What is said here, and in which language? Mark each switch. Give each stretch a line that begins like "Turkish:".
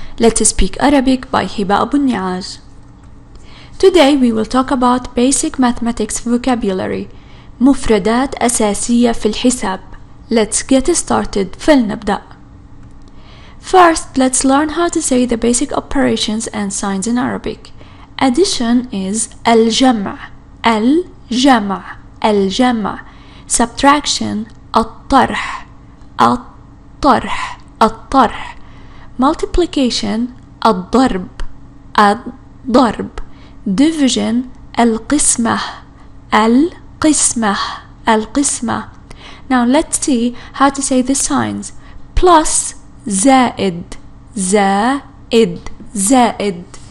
English: Let's speak Arabic by Hiba Abu Niaz. Today we will talk about basic mathematics vocabulary.
Arabic: مفردات أساسية في الحساب.
English: Let's get started.
Arabic: فلنبدأ.
English: First, let's learn how to say the basic operations and signs in Arabic. Addition is
Arabic: الجمع. الجمع. الجمع.
English: Subtraction,
Arabic: الطرح. الطرح الطرح
English: multiplication
Arabic: الضرب الضرب
English: division
Arabic: القسمة القسمة القسمة
English: Now let's see how to say the signs plus
Arabic: زائد زائد زائد